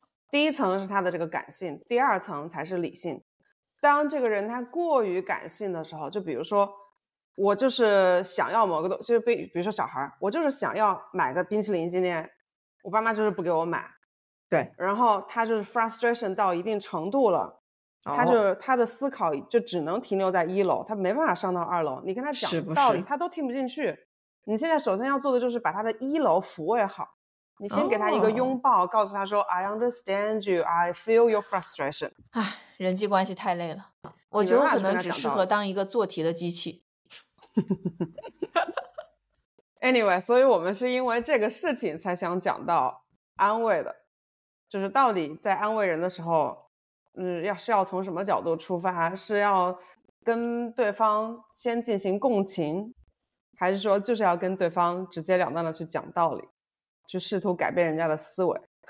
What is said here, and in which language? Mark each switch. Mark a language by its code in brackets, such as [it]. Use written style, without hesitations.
[zh] 第一层是他的这个感性，第二层才是理性。当这个人他过于感性的时候，就比如说我就是想要某个东西，就是比如说小孩，我就是想要买个冰淇淋，今天我爸妈就是不给我买。对，然后他就是 frustration 到一定程度了，哦，他就他的思考就只能停留在一楼，他没办法上到二楼，你跟他讲道理是不是他都听不进去。你现在首先要做的就是把他的一楼抚慰好，你先给他一个拥抱，哦，告诉他说 [en] I understand you, I feel your frustration。 [zh] 唉，人际关系太累了，我觉得我可能只适合当一个做题的机器。 Anyway, 所以我们是因为这个事情才想讲到安慰的，就是到底在安慰人的时候，是要从什么角度出发，是要跟对方先进行共情，还是说就是要跟对方直接了当的去讲道理，去试图改变人家的思维。